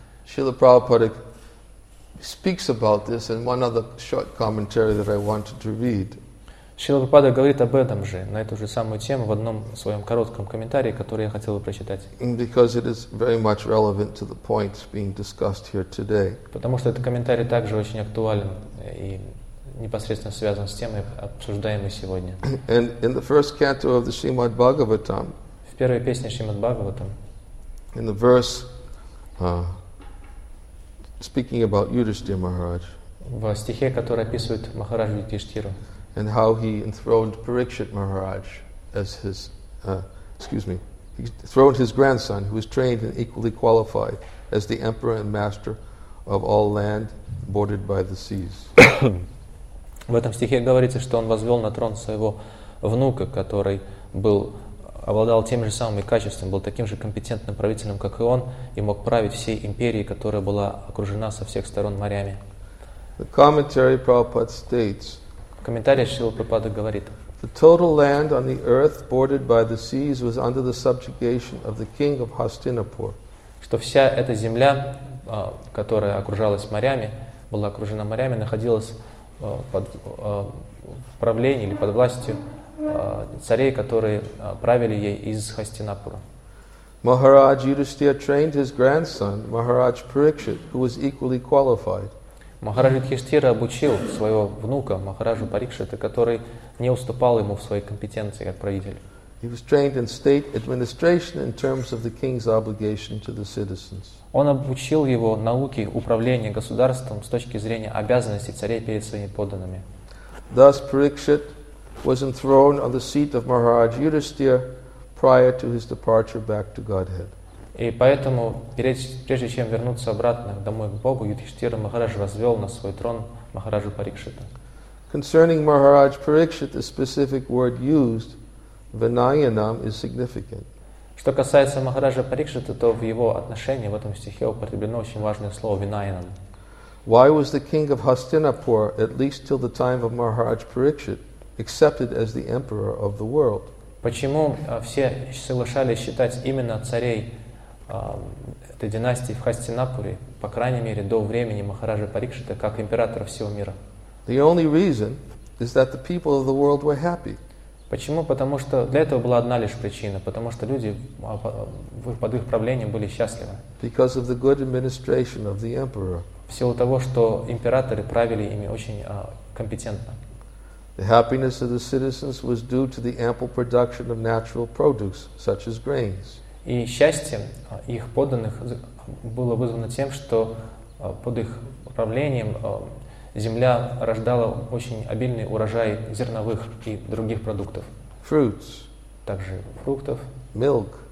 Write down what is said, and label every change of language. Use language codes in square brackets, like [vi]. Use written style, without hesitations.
[en] Srila Prabhupada speaks about this in one other short commentary that I wanted to read. [ru] Srila Prabhupada говорит об этом же, на эту же самую тему, в одном своем коротком комментарии, который я хотел бы прочитать. [en] Because it is very much relevant to the points being discussed here today. [ru] Потому что этот комментарий также очень актуален и непосредственно связан с темой, обсуждаемой сегодня. [en] And in the first canto of the Srimad Bhagavatam, [ru] в первой песне Srimad Bhagavatam, [en] in the verse speaking about Yudhishthira Maharaj. [ru] В стихе, который описывает Махараджу Юдхиштхиру. [en] And how he enthroned Parikshit Maharaj as his, he enthroned his grandson, who was trained and equally qualified as the emperor and master of all land bordered by the seas. [ru] В этом стихе говорится, что он возвел на трон своего внука, который был обладал теми же самыми качествами, был таким же компетентным правителем, как и он, и мог править всей империей, которая была окружена со всех сторон морями. [en] The commentary Prabhupada states, [ru] в комментарии Шрила Прабхупада говорит, [en] the total land on the earth bordered by the seas was under the subjugation of the king of Hastinapur. [ru] Что вся эта земля, которая окружалась морями, была окружена морями, находилась под правлением или под властью царей, которые правили ей из Хастинапура. [en] Maharaj Yudhishthira trained his grandson, Maharaj Parikshit, who was equally qualified. [ru] Maharaj Yudhishthira обучил своего внука, Махараджу Парикшита, который не уступал ему в своей компетенции как правитель. [en] He was trained in state administration in terms of the king's obligation to the citizens. [ru] Он обучил его науке управления государством с точки зрения обязанностей царей перед своими подданными. [en] Thus, Parikshit was enthroned on the seat of Maharaj Yudhishthira prior to his departure back to Godhead. [ru] И поэтому, прежде чем вернуться обратно домой к Богу, Юдхиштхира Махарадж возвел на свой трон Махараджу Парикшита. [en] Concerning Maharaj Parikshit, the specific word used, Vinayanam, is significant. [ru] Что касается Махараджа Парикшита, то в его отношении в этом стихе употреблено очень важное слово Vinayanam. [en] Why was the king of Hastinapur, at least till the time of Maharaj Parikshit, accepted as the emperor of the world? [ru] Почему все соглашались считать именно царей этой династии в Хастинапуре, по крайней мере, до времени Махараджа Парикшита, как императора всего мира? [en] The only reason is that the people of the world were happy. [ru] Почему? Потому что для этого была одна лишь причина, потому что люди под их правлением были счастливы. [en] Because of the good administration of the emperor. [ru] В силу того, что императоры правили ими очень компетентно. [en] The happiness of the citizens was due to the ample production of natural produce, such as grains. [ru] И счастье их подданных было вызвано тем, что под их правлением земля рождала очень обильный урожай зерновых и других продуктов. [en] Fruits. [ru] Также фруктов. [en] Milk.